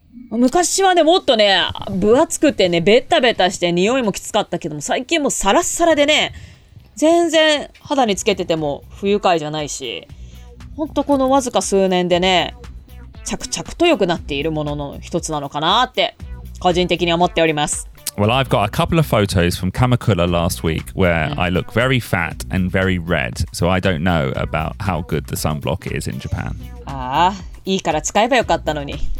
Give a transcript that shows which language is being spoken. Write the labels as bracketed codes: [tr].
[ja] 昔はね、もっとね、分厚くてね、ベタベタして匂いもきつかったけども、最近もうサラッサラでね、全然肌につけてても不愉快じゃないし、ほんとこのわずか数年でね、着々と良くなっているものの一つなのかなって個人的に思っております。 [en] Well, I've got a couple of photos from Kamakura last week where、mm. I look very fat and very red, so I don't know about how good the sunblock is in Japan. [ja] ああ、いいから使えばよかったのに。